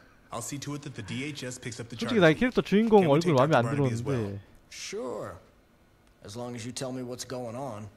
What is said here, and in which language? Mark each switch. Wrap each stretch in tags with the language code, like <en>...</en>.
<en>I'll see to it that the DHS picks up the charge.</en> <ko>솔직히 나의 캐릭터 주인공 얼굴 마음에 안 들었는데.</ko> <en>Sure. As long as you tell me what's going on.</en>